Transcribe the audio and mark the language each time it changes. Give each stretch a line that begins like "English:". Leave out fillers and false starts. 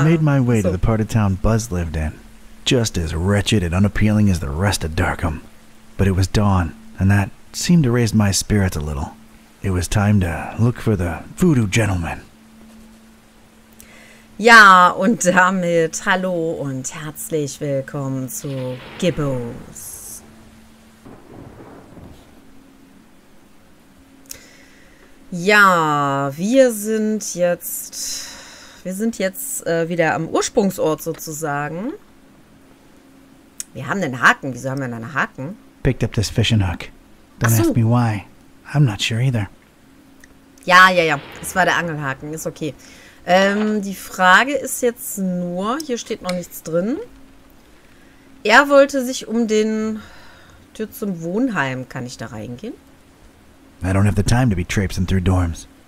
English: I made my way to the part of town Buzz lived in. Just as wretched and unappealing as the rest of Darkham. But it was dawn, and that seemed to raise my spirits a little. It was time to look for the voodoo gentleman.
German: Ja, und damit hallo und herzlich willkommen zu Gibbos. Ja, wir sind jetzt wieder am Ursprungsort sozusagen. Wir haben den Haken. Wieso haben wir denn einen Haken?
English: Picked up this fishing hook. Don't ask me why. I'm not sure either.
German: Ja. Das war der Angelhaken. Ist okay. Die Frage ist jetzt nur, hier steht noch nichts drin. Er wollte sich um den Tür zum Wohnheim. Kann ich da reingehen?
English: I don't have the time to be traipsing through dorms.